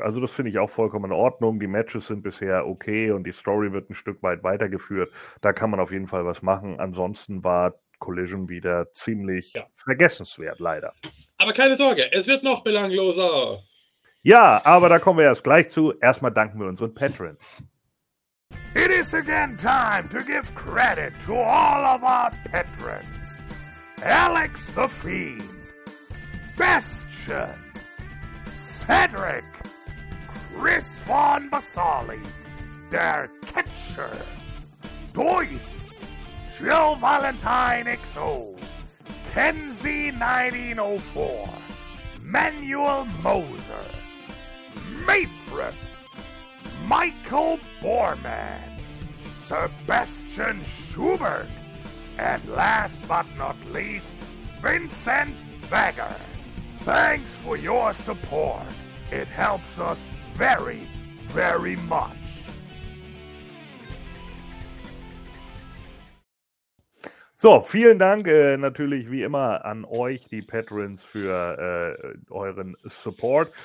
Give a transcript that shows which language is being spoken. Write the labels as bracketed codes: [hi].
[de] Also das finde ich auch vollkommen in Ordnung. Die Matches sind bisher okay und die Story wird ein Stück weit weitergeführt. Da kann man auf jeden Fall was machen. Ansonsten war Collision wieder ziemlich vergessenswert, leider. Aber keine Sorge, es wird noch belangloser. Ja, aber da kommen wir erst gleich zu. Erstmal danken wir unseren Patrons. [en] It is again time to give credit to all of our patrons. Alex the Fiend, Bastion, Cedric, Chris von Basali, Der Catcher, Dois, Jill Valentine XO, Kenzie 1904, Manuel Moser, Matron, Michael Borman, Sebastian Schubert, and last but not least, Vincent Beggar. Thanks for your support. It helps us very, very much. [de] So, vielen Dank natürlich wie immer an euch, die Patrons, für euren Support.